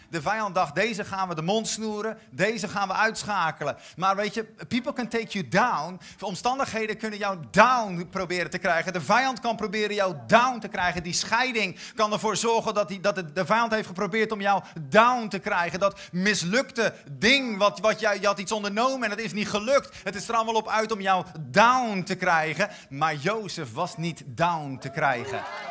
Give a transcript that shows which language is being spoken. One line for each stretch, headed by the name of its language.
Dutch: De vijand dacht, deze gaan we de mond snoeren, deze gaan we uitschakelen. Maar weet je,
English: people can take you down.
Dutch: Omstandigheden kunnen jou down proberen te krijgen. De vijand kan proberen jou down te krijgen. Die scheiding kan ervoor zorgen dat de vijand heeft geprobeerd om jou down te krijgen. Dat mislukte ding, wat je had iets ondernomen en het is niet gelukt. Het is er allemaal op uit om jou down te krijgen. Maar Jozef was niet down te krijgen.